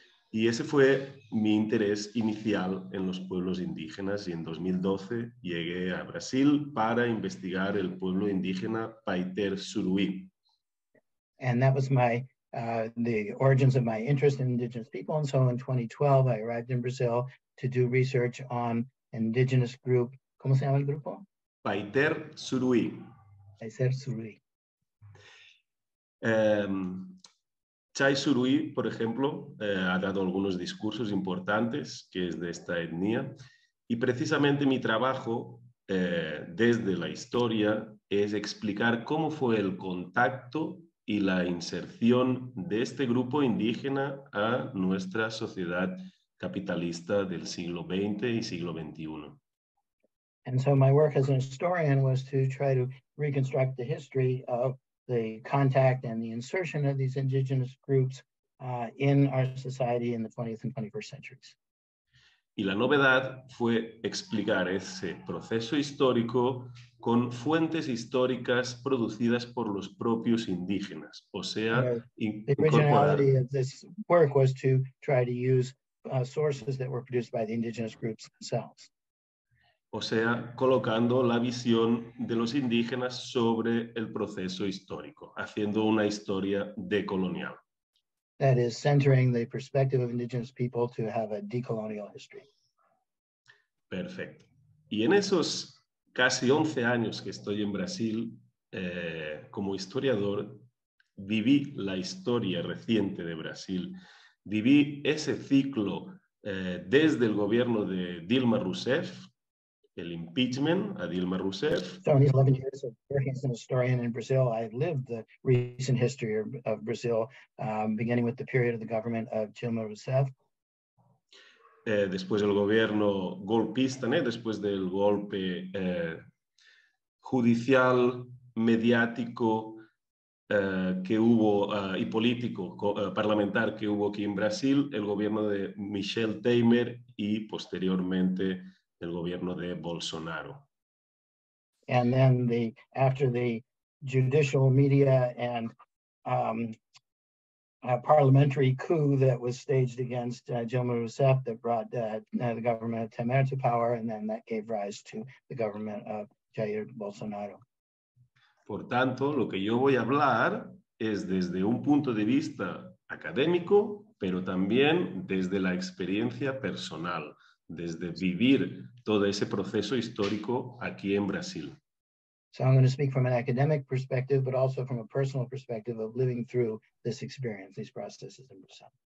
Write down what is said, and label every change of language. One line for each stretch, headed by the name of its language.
Spanish: Y ese fue mi interés inicial en los pueblos indígenas y en 2012 llegué a Brasil para investigar el pueblo indígena Paiter Suruí.
English: And that was the origins of my interest in indigenous people. And so in 2012, I arrived in Brazil to do research on indigenous group.
Spanish: ¿Cómo se llama el grupo? Paiter Suruí. Paiter Suruí. Chay Suruí, por ejemplo, ha dado algunos discursos importantes, que es de esta etnia. Y precisamente mi trabajo desde la historia es explicar cómo fue el contacto y la inserción de este grupo indígena a nuestra sociedad capitalista del siglo XX y siglo XXI.
English: And so my work as an historian was to try to reconstruct the history of the contact and the insertion of these indigenous groups in our society in the 20th and 21st centuries.
Spanish: Y la novedad fue explicar ese proceso histórico con fuentes históricas producidas por los propios indígenas, o sea,
English: the originality of this work was to try to use sources that were produced by the indigenous groups themselves.
Spanish: O sea, colocando la visión de los indígenas sobre el proceso histórico, haciendo una historia decolonial.
English: That is centering the perspective of indigenous people to have a decolonial history.
Spanish: Perfecto. Y en esos casi 11 años que estoy en Brasil, como historiador, viví la historia reciente de Brasil. Viví ese ciclo desde el gobierno de Dilma Rousseff, el impeachment a Dilma Rousseff.
English: So in these 11 years of working as an historian in Brazil, I lived the recent history of Brazil, beginning with the period of the government of Dilma Rousseff.
Spanish: Después del gobierno golpista, después del golpe judicial, mediático, que hubo y político parlamentar que hubo aquí en Brasil, el gobierno de Michel Temer y posteriormente el gobierno de Bolsonaro.
English: And then the after the judicial media and a parliamentary coup that was staged against Dilma Rousseff that brought the government of Temer to power, and then that gave rise to the government of Jair Bolsonaro.
Spanish: Por tanto, lo que yo voy a hablar es desde un punto de vista académico, pero también desde la experiencia personal, desde vivir todo ese proceso histórico aquí en Brasil.
English: So I'm going to speak from an academic perspective, but also from a personal perspective of living through this experience, these processes in Brazil.